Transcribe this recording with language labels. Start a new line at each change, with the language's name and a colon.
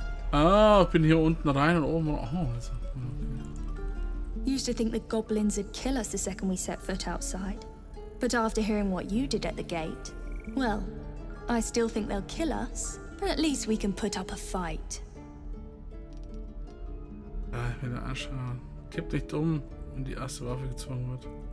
German: Ah, ich bin hier unten rein und oben. Oh, also. Okay.
English: Used to think the goblins would kill us the second we set foot outside. But after hearing what you did at the gate, well. I still think they'll kill us, but at least we can put up a fight.
German: Ja, ich will den anschauen. Kipp nicht um, wenn die erste Waffe gezogen wird.